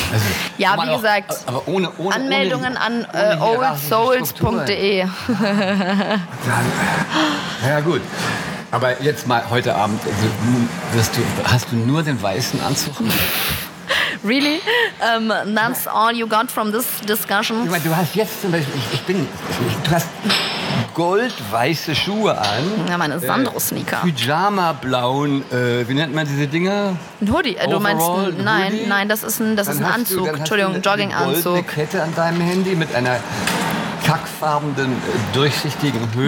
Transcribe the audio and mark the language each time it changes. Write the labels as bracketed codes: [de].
[de] Also, ja, wie gesagt, aber ohne Anmeldungen ohne oldsouls.de. Ja, gut. Aber jetzt mal heute Abend, also, hast du nur den weißen Anzug? [en] Really? That's all you got from this discussion? [de] Ich meine, du hast jetzt zum Beispiel, du hast goldweiße Schuhe an. Ja, meine Sandro-Sneaker. Pyjama-blauen, wie nennt man diese Dinger? Ein Hoodie. Du meinst, nein, das ist ein Anzug. Entschuldigung, Jogginganzug. Du hast eine goldene Kette an deinem Handy mit einer kackfarbenen, durchsichtigen Hülle.